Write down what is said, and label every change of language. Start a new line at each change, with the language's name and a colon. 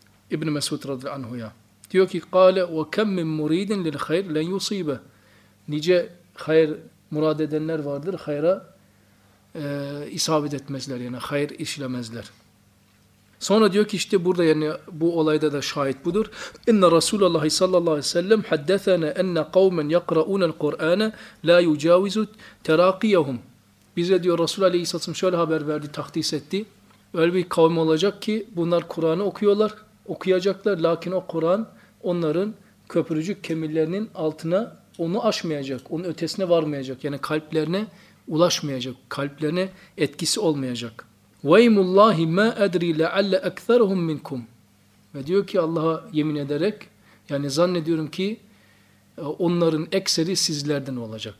Turkish: İbn-i Mesud radıyallahu anhu'ya. Diyor ki
Arabic: قَالَ وَكَمْ مِنْ مُرِيدٍ لِلْخَيْرِ لَنْ يُصِيبَ
Turkish: Nice hayır murad edenler vardır, hayra isabet etmezler, yani hayır işlemezler. Sonra diyor ki işte burada yani bu olayda da şahit budur.
Arabic: اِنَّ رَسُولَ اللّٰهِ صَلَّى اللّٰهِ سَلَّمْ حَدَّثَنَا اَنَّ قَوْمًا يَقْرَعُونَ الْقُرْآنَ لَا يُجَاوِزُ تَرَاقِيَهُمْ
Turkish: Bize diyor Resul Aleyhisselam şöyle haber verdi, takdis etti. Öyle bir kavim olacak ki bunlar Kur'an'ı okuyorlar. Okuyacaklar. Lakin o Kur'an onların köprücük kemiklerinin altına onu aşmayacak. Onun ötesine varmayacak. Yani kalplerine ulaşmayacak. Kalplerine etkisi olmayacak.
Arabic: وَاِمُ اللّٰهِ مَا اَدْرِي لَعَلَّ اَكْثَرُهُمْ مِنْكُمْ
Turkish: Ve diyor ki Allah'a yemin ederek yani zannediyorum ki onların ekseri sizlerden olacak.